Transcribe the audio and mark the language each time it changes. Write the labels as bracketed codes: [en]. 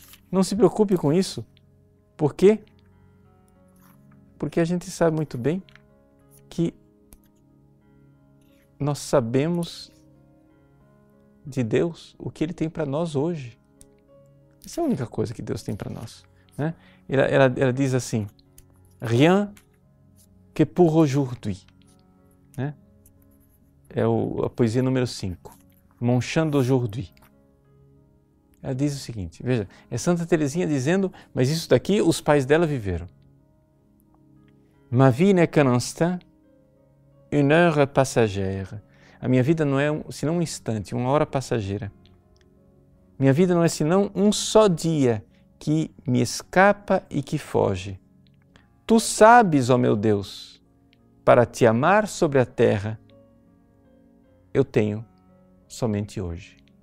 [pt] Não se preocupe com isso. Por quê? Porque a gente sabe muito bem que nós sabemos de Deus o que Ele tem para nós hoje. Essa é a única coisa que Deus tem para nós. Ela diz assim, [fr] rien que pour aujourd'hui. [pt] A poesia número 5, [fr] Mon Chant d'aujourd'hui. [pt] Ela diz o seguinte, veja, é Santa Teresinha dizendo, mas isso daqui os pais dela viveram. [fr] Ma vie n'est qu'un instant, une heure passagère. [pt] A minha vida não é senão um instante, uma hora passageira. Minha vida não é senão um só dia que me escapa e que foge. Tu sabes, ó meu Deus, para te amar sobre a terra, eu tenho somente hoje.